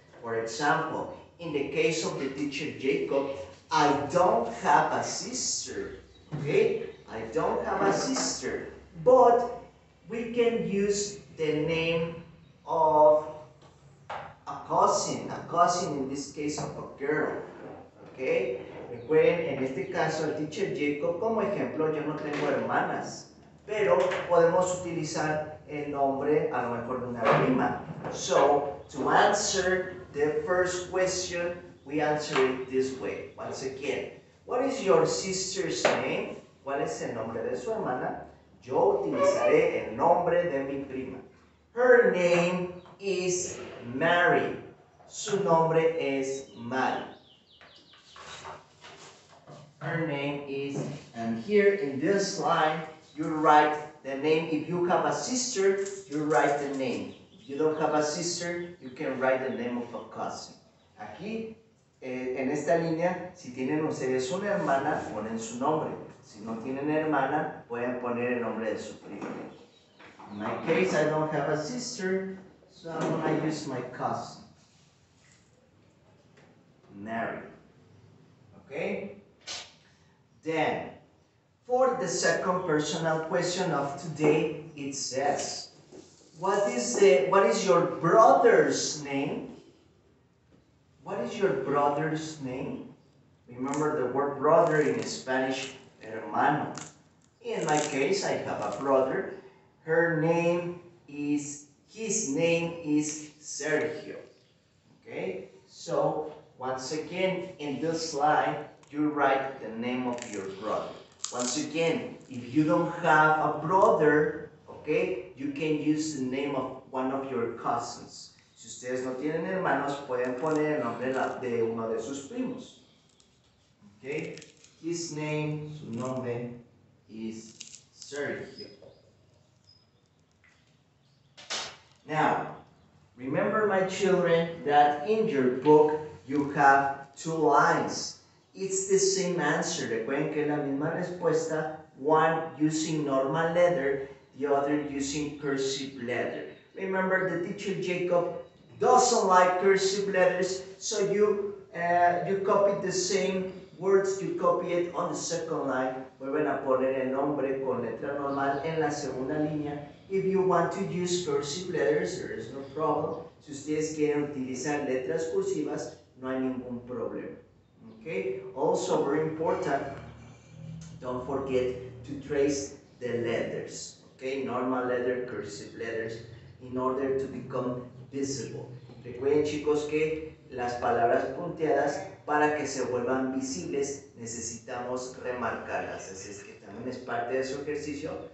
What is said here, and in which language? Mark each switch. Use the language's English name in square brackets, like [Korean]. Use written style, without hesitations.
[English] For example, in the case of the teacher Jacob, I don't have a sister, okay? I don't have a sister, but we can use the name of a cousin in this case of a girl, okay? [Spanish] Recuerden, en este caso, el teacher Jacob, como ejemplo, yo no tengo hermanas, pero podemos utilizar el nombre, a lo mejor, de una prima. [English] So, to answer the first question, we answer it this way. Once again, what is your sister's name? [Spanish] ¿Cuál es el nombre de su hermana? Yo utilizaré el nombre de mi prima. [English] Her name is Mary. [Spanish] Su nombre es Mary. [English] Her name is, and here in this line, you write the name. If you have a sister, you write the name. If you don't have a sister, you can write the name of a cousin. [Spanish] Aquí, en esta línea, si tienen ustedes una hermana, ponen su nombre. Si no tienen hermana, pueden poner el nombre de su prima. [English] In my case, I don't have a sister, so I'm gonna use my cousin. Mary. Okay? then. For the second personal question of today, it says, what is your brother's name? What is your brother's name? Remember the word brother in Spanish, hermano. In my case, I have a brother. His name is Sergio. Okay, so once again, in this slide, you write the name of your brother. Once again, if you don't have a brother, okay, you can use the name of one of your cousins. [Spanish] Si ustedes no tienen hermanos, pueden poner el nombre de uno de sus primos. [English] Okay, his name, [Spanish] su nombre, [English] is Sergio. Now, remember, my children, that in your book you have two lines. It's the same answer. [Spanish] Recuerden que es la misma respuesta. [English] One using normal letter, the other using cursive letter. Remember, the teacher Jacob doesn't like cursive letters, so you copy the same words. You copy it on the second line. [Spanish] Vuelven a poner el nombre con letra normal en la segunda línea. [English] If you want to use cursive letters, there is no problem. [Spanish] Si ustedes quieren utilizar letras cursivas, no hay ningún problema. [English] Okay? Also, very important, don't forget to trace the letters. Okay? Normal letter, cursive letters, in order to become visible. [Spanish] Recuerden, chicos, que las palabras punteadas, para que se vuelvan visibles, necesitamos remarcarlas. Así es que también es parte de su ejercicio.